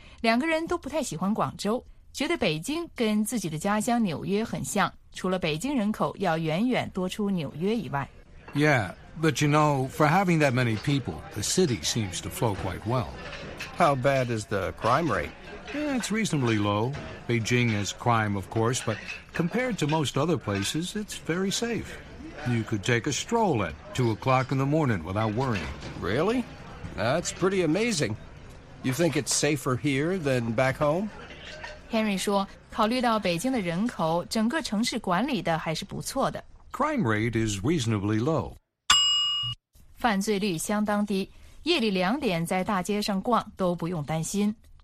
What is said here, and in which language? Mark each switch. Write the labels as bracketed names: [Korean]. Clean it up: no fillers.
[Chinese] 两个人都不太喜欢广州，觉得北京跟自己的家乡纽约很像，除了北京人口要远远多出纽约以外。 [English] Yeah, but you know, for having that many people, the city seems to flow quite well. How bad is the crime rate? Yeah, it's reasonably low. Beijing has crime, of course, but compared to most other places, it's very safe. You could take a stroll at 2 o'clock in the morning without worrying. Really? That's pretty amazing. You think it's safer here than back home? [Chinese] Henry 说，考虑到北京的人口，整个城市管理的还是不错的。 [English] Crime rate is reasonably low. [Chinese] 犯罪率相当低，夜里两点在大街上逛都不用担心。